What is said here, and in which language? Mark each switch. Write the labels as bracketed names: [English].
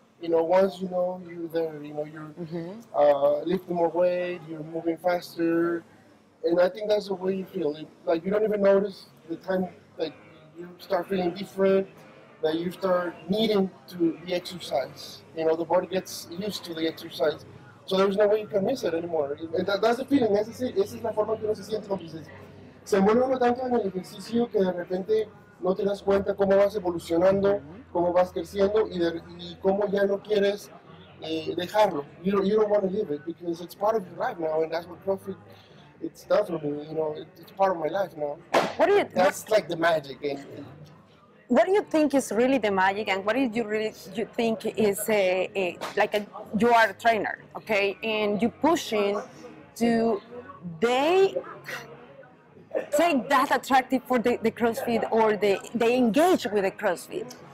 [English] You know, once you know you're there, you know, you're lifting more weight, you're moving faster. And I think that's the way you feel. Like, you don't even notice the time that you start feeling different, that you start needing to the exercise. You know, the body gets used to the exercise. So there's no way you can miss it anymore. And that's the feeling. [Spanish] Esa es la forma que uno se siente. Entonces, se vuelve tanto en el ejercicio que de repente no te das cuenta cómo vas evolucionando, cómo vas creciendo, y cómo ya no quieres dejarlo. [English] You don't want to leave it because it's part of your life now, and that's what CrossFit. It's definitely, you know, it's part of my life now. That's the magic. And what do you think is really the magic, and what do you really you think is you are a trainer, okay, and you pushing to they take that attractive for the CrossFit or they engage with the CrossFit?